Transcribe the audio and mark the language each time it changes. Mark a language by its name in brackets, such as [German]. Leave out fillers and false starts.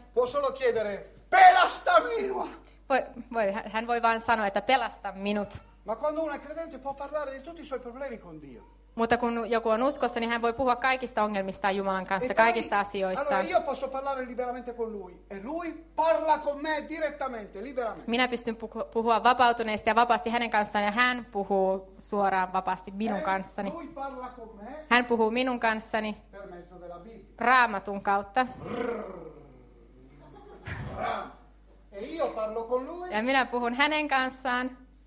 [Italian] Può solo chiedere [Finnish] pelasta minua. Hän voi vain sanoa, että pelasta minut. [Italian] Ma quando uno è credente può parlare di tutti i suoi problemi con Dio. [Finnish] Mutta kun joku on uskossa, niin hän voi puhua kaikista ongelmistaan Jumalan kanssa, kaikista asioista. [Italian] Allora io posso parlare liberamente con lui e lui parla con me direttamente, liberamente. [Finnish] Minä pystyn puhua vapautuneesti ja vapaasti hänen kanssaan ja hän puhuu suoraan vapaasti minun kanssani. [Italian] Lui parla con me. [Finnish] Hän puhuu minun kanssani. [Italian] Per mezzo della Bibbia. [Finnish] Raamatun kautta. [Italian] E io parlo con lui. [Finnish] Ja minä puhun hänen kanssaan.